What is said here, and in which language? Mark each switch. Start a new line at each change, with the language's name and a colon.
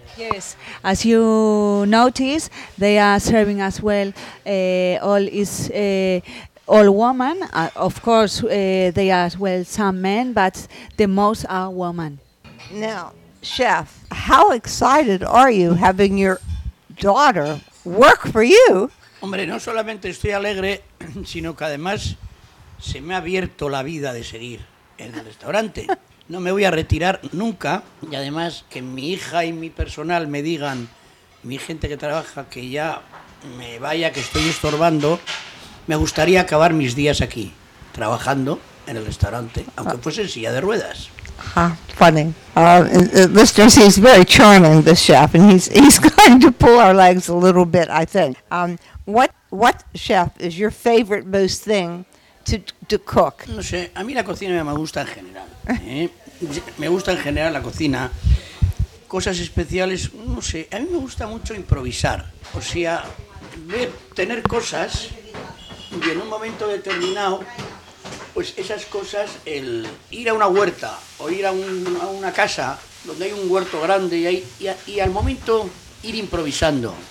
English: Yes, as you notice, they are serving as well. All is all women, of course, they are as well some men, but the most are women. Now, chef, how excited are you having your daughter work for you?
Spanish: Hombre, no solamente estoy alegre, sino que además se me ha abierto la vida de seguir en el restaurante. No me voy a retirar nunca, y además que mi hija y mi personal me digan, mi gente que trabaja, que ya me vaya, que estoy estorbando. Me gustaría acabar mis días aquí, trabajando en el restaurante, aunque fuese en silla de ruedas.
English: Funny. Listeners, he's very charming, this chef, and he's going to pull our legs a little bit, I think. What chef, is your favorite most thing to cook?
Spanish: No sé, a mí la cocina me gusta en general. Me gusta en general la cocina. Cosas especiales, no sé, a mí me gusta mucho improvisar. O sea, tener cosas... Y en un momento determinado, pues esas cosas, el ir a una huerta o ir a una casa donde hay un huerto grande y al momento ir improvisando.